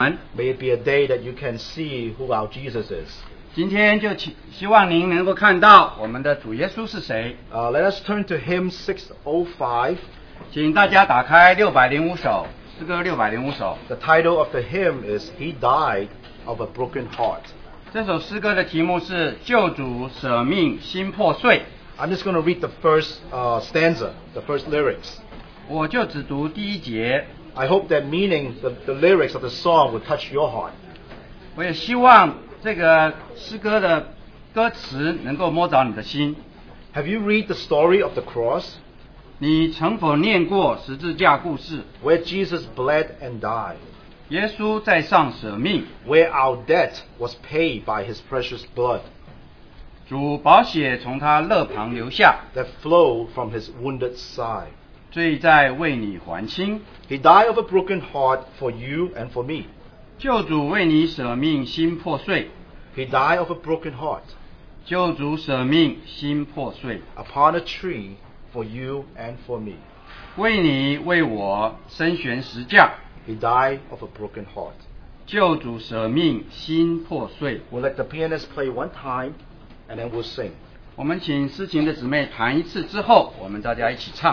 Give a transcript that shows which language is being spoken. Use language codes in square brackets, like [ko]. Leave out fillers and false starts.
[en] May it be a day that you can see who our Jesus is. [zh] 今天就希望您能够看到我们的主耶稣是谁。 [en] Let us turn to hymn 605. [zh] 请大家打开605首，诗歌605首。 [en] The title of the hymn is He Died of a Broken Heart. [zh] 这首诗歌的题目是救主舍命心破碎。 [en] I'm just going to read the first stanza, the first lyrics. [zh] 我就只读第一节。 [en] I hope that meaning the lyrics of the song will touch your heart. [zh] 我也希望这个诗歌的歌词能够摸着你的心。 [en] Have you read the story of the cross? [zh] 你曾否念过十字架故事？ [en] Where Jesus bled and died. [zh] 耶稣在上舍命。 [en] Where our debt was paid by his precious blood. [zh] 主宝血从他肋旁流下。 [en] That flowed from his wounded side. [zh] 罪债为你还清。 [en] He died of a broken heart for you and for me. [zh] 救主为你舍命心破碎。 [en] He died of a broken heart. [zh] 救主舍命心破碎。 [en] Upon a tree for you and for me. [zh] 为你为我身悬十架。 [en] He died of a broken heart. [zh] 救主舍命心破碎。 [en] We'll let the pianist play one time and then we'll sing. [zh] 我们请诗琴的姊妹弹一次之后，我们大家一起唱。